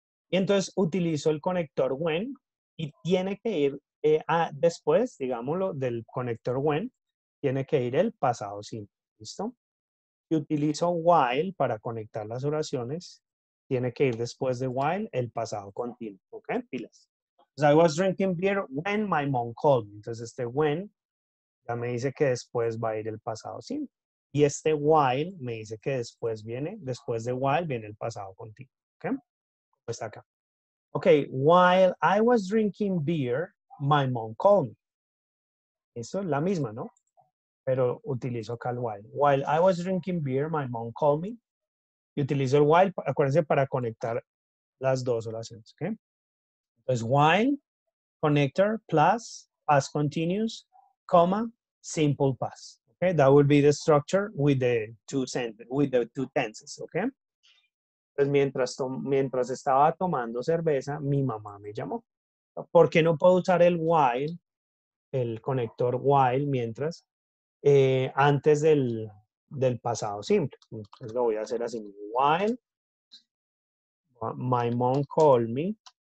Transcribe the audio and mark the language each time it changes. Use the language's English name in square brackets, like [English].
[Spanish] Y entonces utilizo el conector when y tiene que ir después, digámoslo, del conector when, tiene que ir el pasado simple, ¿listo? Y utilizo while para conectar las oraciones, tiene que ir después de while el pasado continuo, ¿ok? Pilas. [English] So I was drinking beer when my mom called me. [Spanish] Entonces este when ya me dice que después va a ir el pasado simple. Y este while me dice que después viene, después de while viene el pasado continuo, ¿ok? Está acá. [English] Ok, while I was drinking beer, my mom called me. [Spanish] Eso es la misma, ¿no? Pero utilizo acá el while. [English] While I was drinking beer, my mom called me. [Spanish] Y utilizo el while, acuérdense, para conectar las dos oraciones, ¿ok? [English] Entonces, while, connector, plus, past continuous, comma, simple past. Ok, that will be the structure with the two sentences, with the two tenses, ¿ok? [Spanish] Pues mientras estaba tomando cerveza, mi mamá me llamó. ¿Por qué no puedo usar el while, el conector while, mientras, antes del pasado simple? Entonces lo voy a hacer así. [English] While my mom called me.